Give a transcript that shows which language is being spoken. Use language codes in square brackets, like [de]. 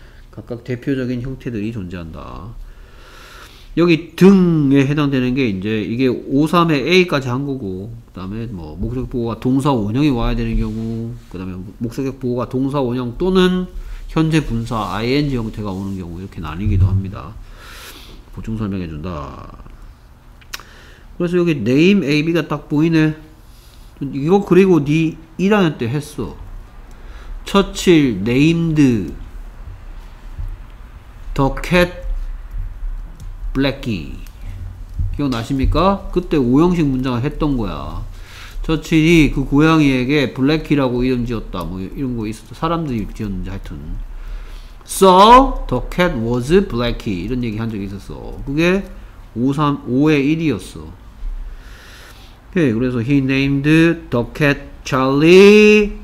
[ko] 각각 대표적인 형태들이 존재한다. 여기 등에 해당되는 게 이제 이게 5, 3에 a까지 한 거고 그 다음에 뭐 목적격 보호가 동사 원형이 와야 되는 경우 그 다음에 목적격 보호가 동사 원형 또는 현재 분사 ing 형태가 오는 경우 이렇게 나뉘기도 합니다. 보충 설명해 준다. 그래서 여기 name AB가 딱 보이네. 이거 그리고 네 1학년 때 했어. [en] 처칠 named the cat Blackie. [ko] 기억나십니까? 그때 5형식 문장을 했던 거야. 처칠이 그 고양이에게 블랙키라고 이름 지었다. 뭐 이런 거 있었다. 사람들이 지었는지 하여튼. [en] So the cat was Blackie. [ko] 이런 얘기 한 적이 있었어. 그게 5의 1이었어. 오케이 그래서 [en] he named the cat Charlie.